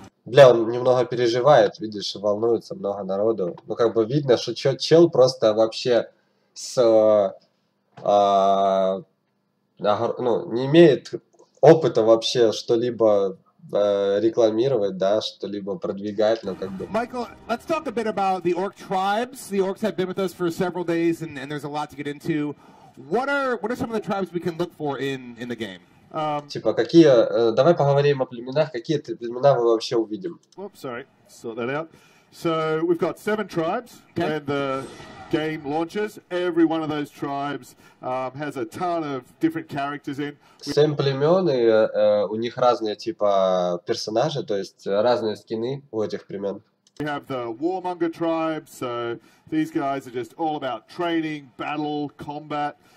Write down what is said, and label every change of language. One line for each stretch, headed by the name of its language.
Russian: Бля, он немного переживает, видишь, волнуется много народу. Ну как бы видно, что чел просто вообще с ну, не имеет опыта вообще что-либо рекламировать, да, что-либо продвигать, но как бы...
English: Michael, let's talk a bit about the orc tribes. The orcs have been with us for several days, and there's a lot to get into. What are some of the tribes we can look for in the game?
Russian: Типа, какие... Давай поговорим о племенах. Какие племена мы вообще увидим?
English: Oops, sorry. Sort that out. So, we've got 7 tribes, okay. And the game launches. Every one of those tribes has a ton of different characters in.
Russian: 7 племен, и у них разные, типа, персонажи, то есть разные скины у этих племен.
English: We have the Warmonger tribe, so these guys are just all about training, battle, combat.